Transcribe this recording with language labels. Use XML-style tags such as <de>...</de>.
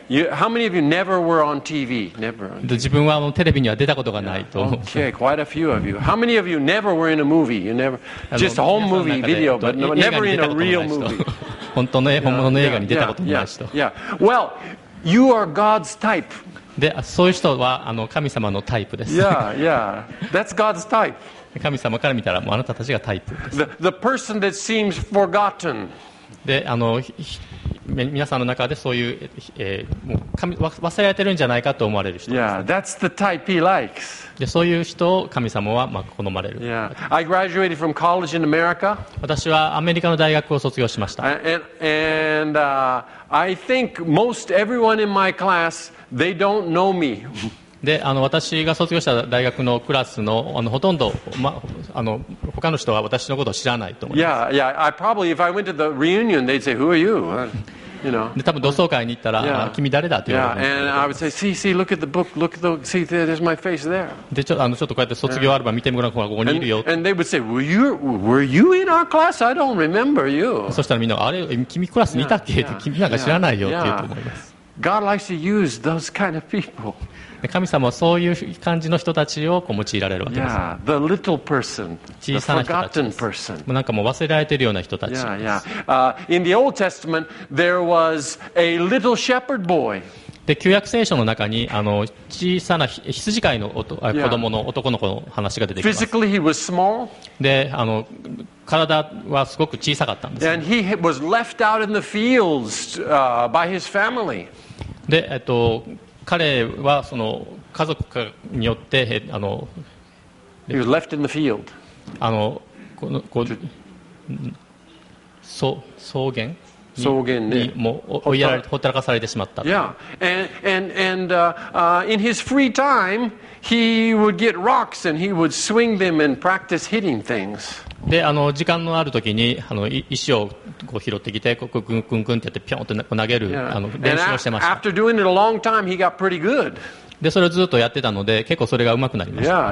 <en>How many of you never were on TV? Never on TV.</en> <ja>自分はテレビには出たことがないと。</ja> <en>Okay, quite a few of you. How many of you never were in a movie? You never just a home movie video, but never in a real movie.</en> <ja>本当の本物の映画に出たことない人。</ja> <en>Well, you are God's type.</en> <ja>でそういう人は神様のタイプです。</ja> <en>Yeah, yeah. That's God's type.</en> <ja>神様から見たらもうあなたたちがタイプです。</ja> <en>The person that seems forgotten.</en> <ja>で皆さんの中でそういう、もう神忘れられてるんじゃないかと思われる人です、ね。</ja> <en>Yeah, that's the type he likes.</en> <ja>でそういう人を神様は好まれる。</ja> <en>Yeah. I graduated from college in America.</en> <ja>私はアメリカの大学を卒業しました。</ja> <en>And I think most everyone in my class,They don't know me.</en> <ja>で私が卒業した大学のクラスのほとんど、他の人は私のことを知らないと思います。</ja> <en>Yeah, yeah. I probably if I went to the reunion, they'd say, "Who are you?" You know.</en> <ja>で多分同窓会に行ったら、君誰だというふうに。</ja> <en>Yeah, and I would say, "See, look at the book. Look at the see. There's my face there."</en> <ja>でちょっとこうやって卒業アルバム見てみろ、ここにいるよ。</ja> <en>And they would say, "Were you in our class? I don't remember you."</en> <ja>そしたらみんなあれ、君クラスにいたっけ？って君なんか知らないよって言うと思います。</ja> <en>God likes to use those kind of people.</en> <ja>神様はそういう感じの人たちをこう用いられるわけです。</ja> <en>Yeah, the little person, the forgotten person.</en> <ja>なんかもう忘れられてるような人たち。</ja> <en>Yeah, yeah. In the Old Testament, there was a little shepherd boy.</en> <ja>で旧約聖書の中にあの小さな羊飼いの子供の男の子の話が出てきます。</ja> <en>Physically, he was small.</en> <ja>で体はすごく小さかったんです、</ja> <en>ね、And he was left out in the fields, by his family.</en> <ja>で彼はその家族によって</ja> <en>he was left in the field.</en> <ja>この草原草原にもうほったらかされてしまった。</ja> <en>In his free time, he would get rocks and he would swing them and practice hitting things.</en> <ja>で、時間のある時に石をこう拾ってきて、こうグングングンってやってピョンと投げる、練習をしてました。</ja> <en>After doing it a long time, he got pretty good.</en> <ja>で、それをずっとやってたので、結構それが上手くなりました。</ja>